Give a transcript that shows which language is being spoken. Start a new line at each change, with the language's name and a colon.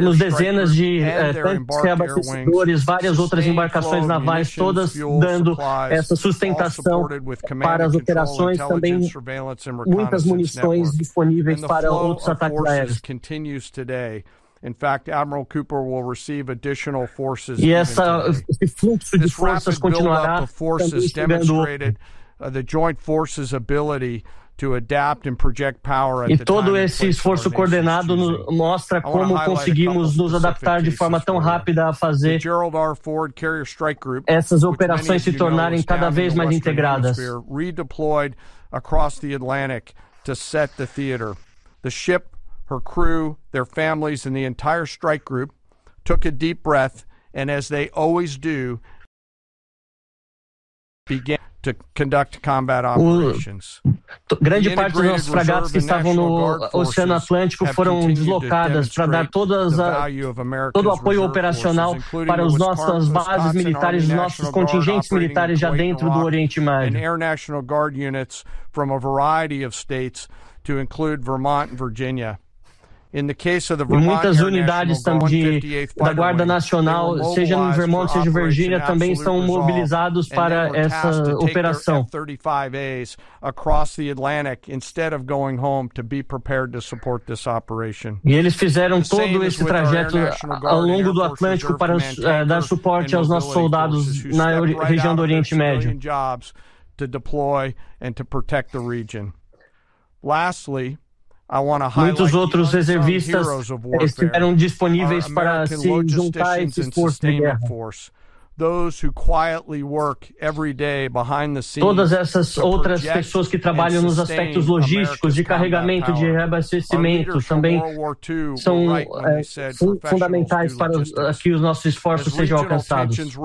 Portuguese: temos dezenas de tanques reabastecedores, várias outras embarcações navais, todas dando essa sustentação para as operações, também muitas munições disponíveis para outros ataques aéreos.
English: In fact, Admiral Cooper will receive additional forces.
Portuguese: E essa, esse fluxo de forças continuará chegando.
English: The joint forces ability to adapt and project power at
Portuguese: e todo esse esforço coordenado nos mostra como conseguimos nos adaptar de forma tão rápida a fazer
English: Gerald R. Ford Carrier Strike Group,
Portuguese: essas operações se tornarem cada vez mais integradas.
English: Redeployed across the Atlantic to set the theater. The ship, her crew, their families and the entire strike group took a deep breath and as they always do began to conduct combat operations.
Portuguese: Grande parte das nossas fragatas que estavam no Oceano Atlântico foram deslocadas para dar todo o apoio operacional para as nossas bases militares, os nossos contingentes militares já dentro do Oriente Médio.
English: Air National Guard units from a variety of states to include Vermont and Virginia. In the case of the Vermont,
Portuguese: e muitas unidades também da Guarda Nacional, seja no Vermont, seja em Virgínia, também estão mobilizados para essa operação.
English: F-35As across the Atlantic instead of going home to be prepared to support this operation.
Portuguese: E eles fizeram todo esse trajeto ao longo do Atlântico para dar suporte aos nossos soldados na região do Oriente Médio.
English: Jobs to deploy and to protect the region. Lastly,
Portuguese: muitos outros reservistas estiveram disponíveis para se juntar a esse esforço de guerra.
English: Those who quietly work every day behind the scenes,
Portuguese: todas essas outras pessoas que trabalham nos aspectos logísticos, de carregamento, de reabastecimento, também são fundamentais para que os nossos esforços sejam alcançados.